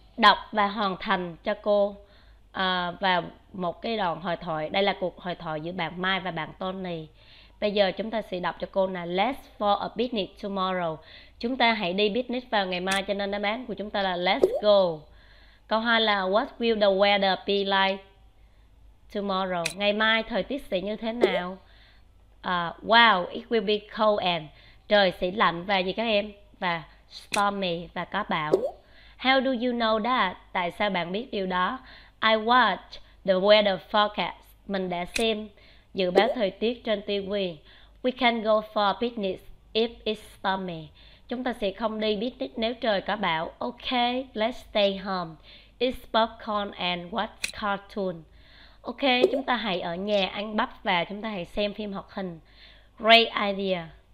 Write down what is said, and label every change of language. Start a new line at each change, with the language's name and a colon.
Vietnamese: Đọc và hoàn thành cho cô vào một cái đoạn hội thoại. Đây là cuộc hội thoại giữa bạn Mai và bạn Tony. Bây giờ chúng ta sẽ đọc cho cô là
English: Let's for a picnic tomorrow.
Vietnamese: Chúng ta hãy đi picnic vào ngày mai, cho nên đáp án của chúng ta là
English: Let's go.
Vietnamese: Câu 2 là
English: What will the weather be like tomorrow?
Vietnamese: Ngày mai thời tiết sẽ như thế nào?
English: Wow, it will be cold and
Vietnamese: trời sẽ lạnh và gì các em?
English: Và stormy
Vietnamese: và có bão.
English: How do you know that?
Vietnamese: Tại sao bạn biết điều đó?
English: I watch the weather forecast.
Vietnamese: Mình đã xem dự báo thời tiết trên TV.
English: We can go for a picnic if it's stormy.
Vietnamese: Chúng ta sẽ không đi picnic nếu trời có bão.
English: Okay, let's stay home. Eat popcorn and watch cartoon. Okay,
Vietnamese: chúng ta hãy ở nhà ăn bắp và chúng ta hãy xem phim hoạt hình.
English: Great idea.